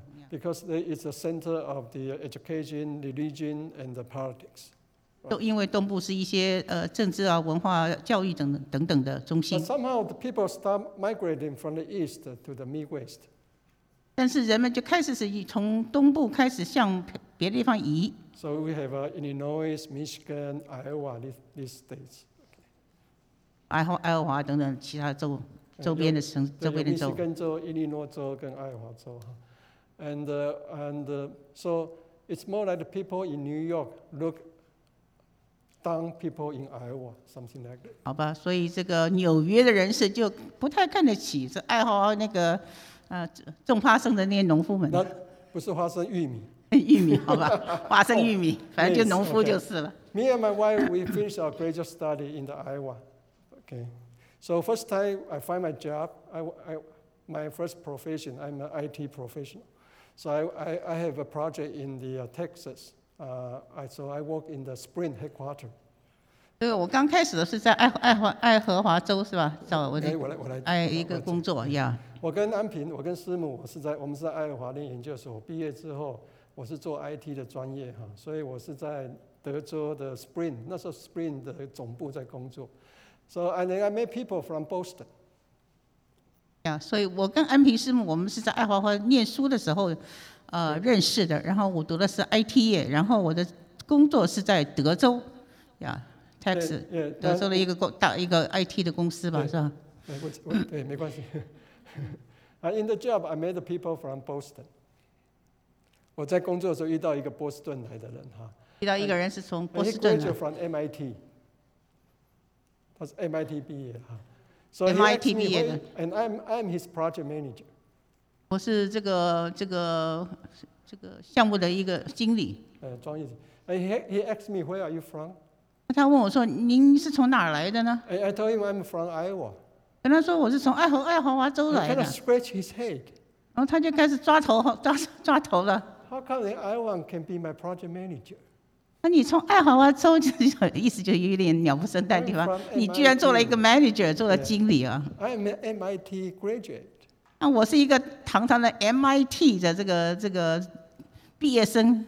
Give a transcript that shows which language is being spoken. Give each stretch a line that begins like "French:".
English: Because they is the center of the education, religion, and the politics.
Chinese: 都因为东部是一些政治啊、文化、教育等等的中心。
English: But somehow the people start migrating from the east to the Midwest.
Chinese: 但是人们就开始是从东部开始向别的地方移。
English: So we have Illinois, Michigan, Iowa, these states.
Chinese: Iowa 等等其他州周边的城周边的州。 Michigan 州、Illinois 州跟 Iowa 州哈。
English: And so it's more like the people in New York look. Down people in Iowa, something like that.
Chinese: 好吧，所以这个纽约的人士就不太看得起这爱好那个，种花生的那些农夫们。那不是花生，玉米。玉米，好吧，花生玉米， oh, 反正就农夫就是了。
English: Okay. Me and my wife, we finished our graduate study in the Iowa. Okay, so first time I find my job, I my first profession, I'm an IT professional. So I have a project in the Texas. So I work in the Sprint headquarter.
Chinese: 对，我刚开始的是在爱荷华州是吧？找我的一个工作呀。我跟安平，我跟师母，我们是在爱荷华念研究所。毕业之后，我是做 IT 的专业哈，所以我是在德州的 Sprint， 那时候 Sprint 的总部在工作。
English: So and then I met people from Boston.
Chinese: Yeah, 所以我跟安平师母，我们是在爱荷华念书的时候。认识的，然后我读的是 IT 业，然后我的工作是在德州，呀 ，Texas， 德州的一个 IT 的公司吧，是吧？对，没关系。
English: In the job, I met people from Boston.
Chinese: 我在工作的时候遇到一个波士顿来的人哈。遇到一个人是从波士顿的。
English: He graduated from MIT.
Chinese: 他是 MIT 毕业哈。
English: So
Chinese: MIT 毕业的。
English: And I'm his project manager.
Chinese: 我是这个项目的一个经理。专业经理。
English: He asked me, where are you from?
Chinese: 他问我说，您是从哪儿来的呢？
English: I told him I'm from Iowa.
Chinese: 跟他说我是从爱荷华州来的。
English: He kind of scratched his head.
Chinese: 然后他就开始抓头了。
English: How come Iowa can be my project manager?
Chinese: 那你从爱荷华州，意思就有点鸟不生蛋的地方，你居然做了一个 manager， 做了经理啊。
English: I'm an MIT graduate。
Chinese: 那我是一个堂堂的 MIT 的这个毕业生。